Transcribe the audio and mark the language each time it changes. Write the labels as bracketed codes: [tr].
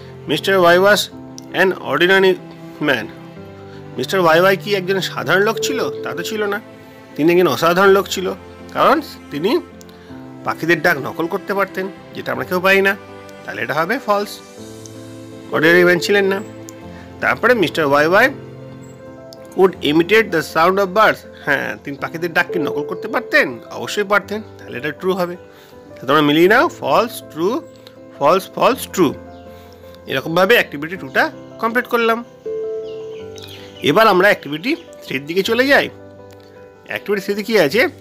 [en] mister Y was an ordinary man, [bn] mister Y Y কি একজন সাধারণ লোক ছিল, তা তো ছিল না, তিনি একজন অসাধারণ লোক ছিল, কারণ তিনি পাখিদের ডাক নকল করতে পারতেন, যেটা আমরা কেউ পাই না, তাহলে এটা হবে ফলস, অর্ডিনারি ম্যান ছিলেন না। তারপরে mister Y Y [en] would imitate the sound of birds. [bn] হ্যাঁ, তিনি পাখিদের ডাককে নকল করতে পারতেন? অবশ্যই পারতেন, তাহলে এটা ট্রু হবে। তোমরা মিলিয়ে নাও, false true, false false true, এরকমভাবে অ্যাক্টিভিটি টুটা কমপ্লিট করলাম। এবার আমরা অ্যাক্টিভিটি থ্রির দিকে চলে যাই। অ্যাক্টিভিটি থ্রিতে কী আছে?